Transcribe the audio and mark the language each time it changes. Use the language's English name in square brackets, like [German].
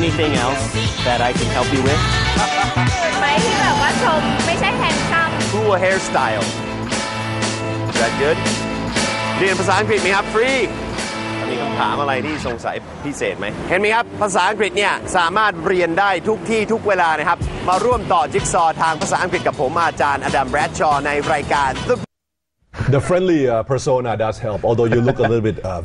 [English] Anything else that I can help you with? My hair, like, what's up? Not just handsome. Cool hairstyle. Is that good? [Thai] เรียนภาษาอังกฤษไหมครับ [English] Free. [Thai] มีคำถามอะไรที่สงสัยพิเศษไหมเห็นไหมครับภาษาอังกฤษเนี่ยสามารถเรียนได้ทุกที่ทุกเวลานะครับมาร่วมต่อจิ๊กซอทางภาษาอังกฤษกับผมอาจารย์อดัมแบรดชอว์ในรายการ [English] The friendly persona does help although you look a little bit